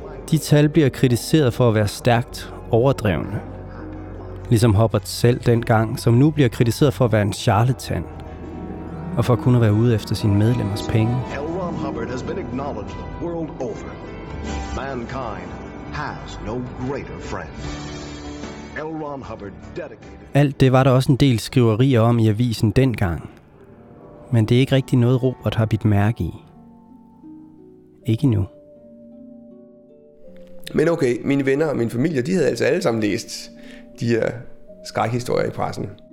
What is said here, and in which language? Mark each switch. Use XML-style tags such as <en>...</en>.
<da>De tal bliver kritiseret for at være stærkt overdrevne. Ligesom Hubbard selv dengang, som nu bliver kritiseret for at være en charlatan, og for kun at være ude efter sine medlemmers penge.</da> <en>L. Ron Hubbard has been acknowledged world over. Mankind has no greater friend. L. Ron Hubbard dedicated.</en> <da>Alt det var der også en del skriverier om i avisen dengang. Men det er ikke rigtig noget, Robert har bidt mærke i. Ikke nu. Men okay, mine venner og min familie, de havde altså alle sammen læst de her skrækhistorier i pressen.</da>